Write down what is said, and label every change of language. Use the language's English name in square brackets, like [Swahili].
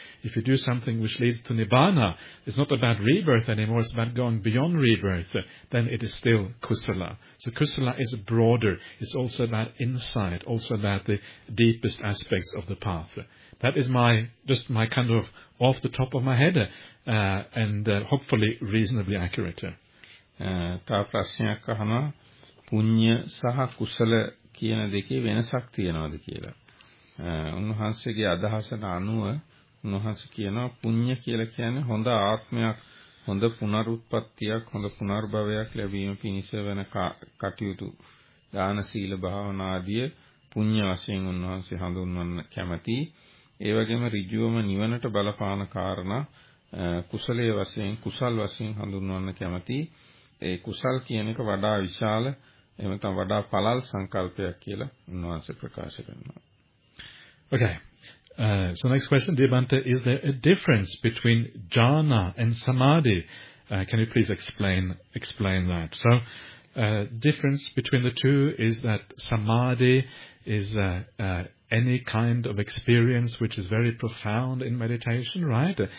[English] If you do something which leads to nibbana, it's not about rebirth anymore, it's about going beyond rebirth, then it is still kusala. So kusala is broader. It's also about insight, also about the deepest aspects of the path. That is my kind of off the top of my head, and hopefully reasonably accurate. [Sinhala] තව ප්‍රශ්නයක් අහනවා, පුණ්‍ය සහ කුසල කියන දෙකේ වෙනසක් තියෙනවද කියලා. උන්වහන්සේගේ අදහසට අනුව උන්වහන්සේ කියනවා පුණ්‍ය කියලා කියන්නේ හොඳ ආත්මයක්, හොඳ පුනරුත්පත්තියක්, හොඳ පුනර්භවයක් ලැබීම පිණිස වෙන කටයුතු. දාන, සීල, භාවනා ආදිය පුණ්‍ය වශයෙන් උන්වහන්සේ හඳුන්වන්න කැමැති. ඒ වගේම ඍජුවම නිවනට බලපාන කාරණා කුසල් වශයෙන් හඳුන්වන්න කැමැති. ඒ කුසල් කියන එක වඩා විශාල, එහෙම නැත්නම් වඩා පළල් සංකල්පයක් කියලා උන්වහන්සේ ප්‍රකාශ කරනවා. [English] Okay. So next question, dear Bhante, is there a difference between jhana and samadhi? Can you please explain that? So, difference between the two is that samadhi is any kind of experience which is very profound in meditation, right?